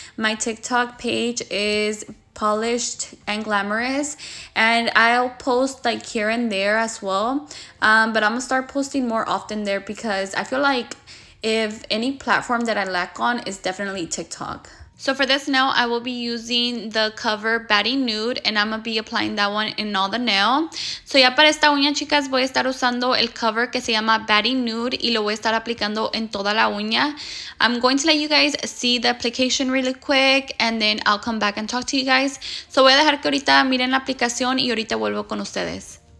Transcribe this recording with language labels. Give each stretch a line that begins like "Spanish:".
English: My TikTok page is Polished and Glamorous, and I'll post like here and there as well, but I'm gonna start posting more often there because I feel like if any platform that I lack on is definitely TikTok. So for this nail, I will be using the cover Baddie Nude, and I'm gonna be applying that one in all the nail.
Spanish: So ya para esta uña, chicas, voy a estar usando el cover que se llama Baddie Nude y lo voy a estar aplicando en toda la uña.
English: I'm going to let you guys see the application really quick, and then I'll come back and talk to you guys.
Spanish: So voy a dejar que ahorita miren la aplicación y ahorita vuelvo con ustedes.